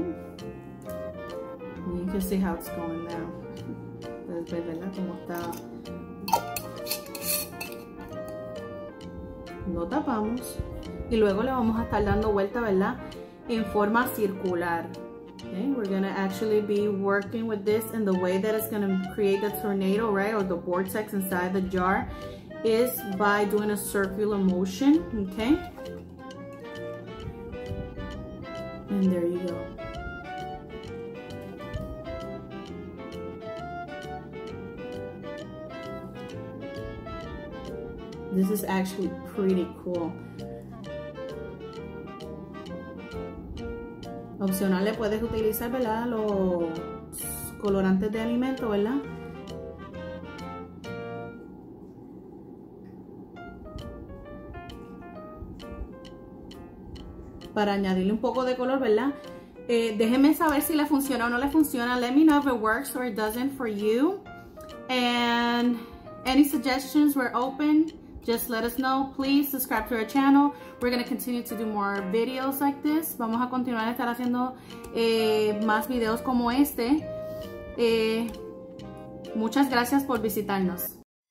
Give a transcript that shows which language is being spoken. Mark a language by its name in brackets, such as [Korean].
[English] You can see how it's going now. [Spanish] Puedes ver, ¿verdad?, cómo está. Lo tapamos. Y luego le vamos a estar dando vuelta, ¿verdad?, en forma circular. [English] Okay, we're gonna actually be working with this, and the way that it's gonna create the tornado, right, or the vortex inside the jar, is by doing a circular motion. Okay, and there you go. This is actually pretty cool. [Spanish] Opcional, le puedes utilizar, ¿verdad?, los colorantes de alimento, ¿verdad? Para añadirle un poco de color, ¿verdad? Déjenme saber si le funciona o no le funciona. [English] Let me know if it works or it doesn't for you. And any suggestions, we're open. Just let us know. Please subscribe to our channel. We're going to continue to do more videos like this. [Spanish] Vamos a continuar a estar haciendo más videos como este. Muchas gracias por visitarnos.